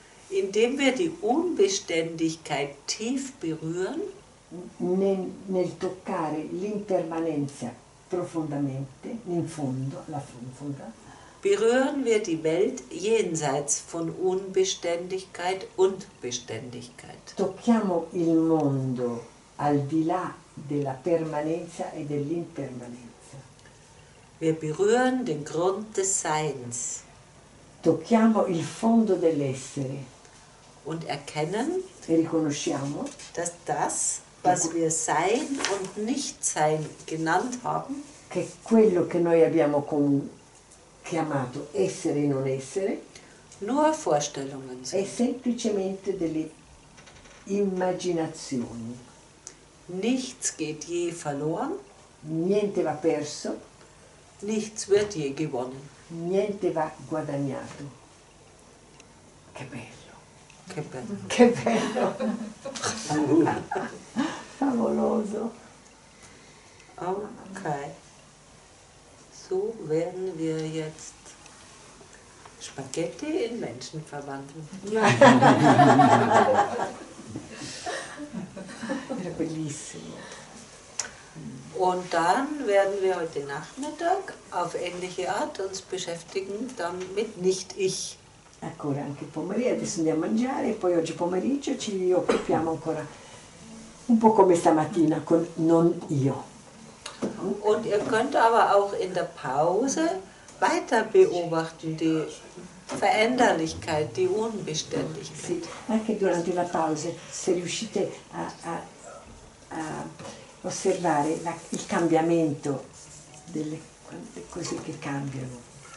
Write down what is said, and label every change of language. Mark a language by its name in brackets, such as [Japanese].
[German] Indem wir die Unbeständigkeit tief berühren, [Italian] nel toccare l'impermanenza profondamente, in fondo, [German] berühren wir die Welt jenseits von Unbeständigkeit und Beständigkeit. [Italian] Tocchiamo il mondo al di là della permanenza e dell'impermanenza. [German] Wir berühren den Grund des Seins. [Italian] Tocchiamo il fondo dell'essere. [German] Und erkennen, [Italian] riconosciamo, [German] dass das, was wir sein und nicht sein genannt haben, [Italian] che quello che noi abbiamo chiamato essere e non essere, [German] nur Vorstellungen sind. [Italian] È semplicemente delle immaginazioni. [German] Nichts geht je verloren. [Italian] Niente va perso. [German] Nichts wird je gewonnen. [Italian] Niente va guadagnato. Che bello. Che bello. Che bello. Favoloso. Ok. [German] So werden wir jetzt Spaghetti in Menschen verwandeln. [Italian] Era bellissimo. [German] Und dann werden wir heute Nachmittag auf ähnliche Art uns beschäftigen, dann mit Nicht-Ich. [Italian] Ancora anche pomeriggio, adesso andiamo a mangiare e poi oggi pomeriggio ci occupiamo ancora un po' come stamattina con non io. [German] Und ihr könnt aber auch in der Pause weiter beobachten die Veränderlichkeit, die Unbeständigkeit. [Italian] Sì, anche durante la pausa, se riuscite a osservare il cambiamento delle cose che cambiano.